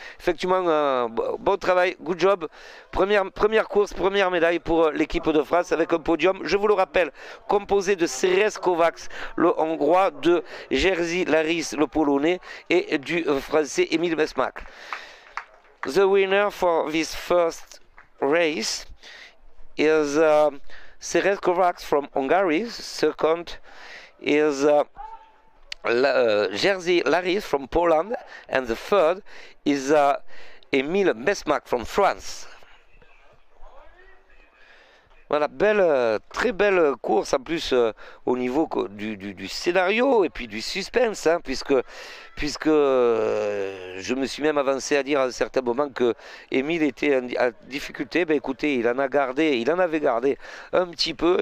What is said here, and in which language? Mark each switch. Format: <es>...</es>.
<fr>Effectivement, bon travail,</fr> <en>good job.</en> <fr>Première course, première médaille pour l'équipe de France avec un podium, je vous le rappelle, composé de Ceres Kovacs, le Hongrois, de Jerzy Laris, le Polonais, et du Français Émile Mesmak.</fr> <en>The winner for this first race is Ceres Kovacs from Hungary. Second is Jerzy Laris from Poland. And the third is Émile Mesmak from France.</en> <fr>Voilà, belle, très belle course en plus au niveau du scénario et puis du suspense, hein, puisque je me suis même avancé à dire à un certain moment que Émile était en difficulté. Ben écoutez, il en avait gardé un petit peu.</fr>